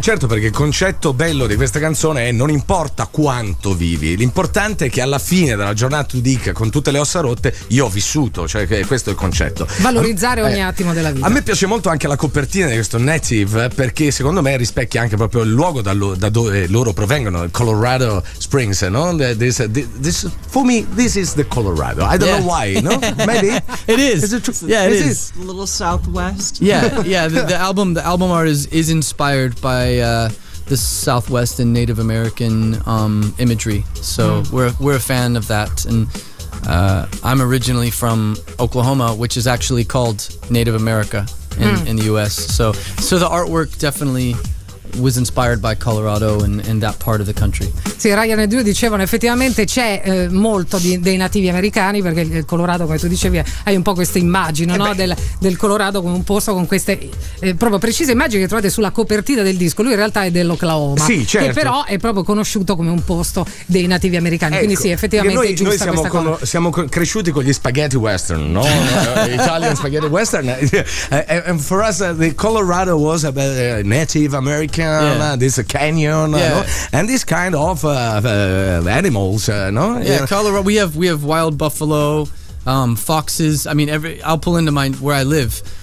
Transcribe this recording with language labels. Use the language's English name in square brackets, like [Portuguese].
[Italian] Certo, perché il concetto bello di questa canzone è, non importa quanto vivi, l'importante è che alla fine della giornata tu dica, con tutte le ossa rotte, io ho vissuto, cioè questo è il concetto. Valorizzare ogni attimo della vita. A me piace molto anche la copertina di questo Native, perché secondo me rispecchia anche proprio il luogo da dove loro provengono, Colorado Springs, no? [English] This for me, this is the Colorado. I don't know why, no? Maybe it is. It is. A little southwest. Yeah. The album art is inspired by the Southwest and Native American imagery. So we're a fan of that. And I'm originally from Oklahoma, which is actually called Native America in the US. So the artwork definitely was inspired by Colorado and that part of the country. [Italian] Sì, Ryan e Drew dicevano effettivamente c'è molto dei nativi americani, perché il Colorado, come tu dicevi, hai un po' questa immagine, no? del Colorado, come un posto con queste proprio precise immagini che trovate sulla copertina del disco. Lui in realtà è dell'Oklahoma, sì, certo, che però è proprio conosciuto come un posto dei nativi americani, ecco. Quindi sì, effettivamente noi, è giusta noi siamo questa cosa. Siamo cresciuti con gli spaghetti western, no? [English] Italian spaghetti western. And for us the Colorado was a Native American. This canyon, and this kind of animals, no? Yeah, Colorado. We have wild buffalo, foxes. I mean, I'll pull into my where I live.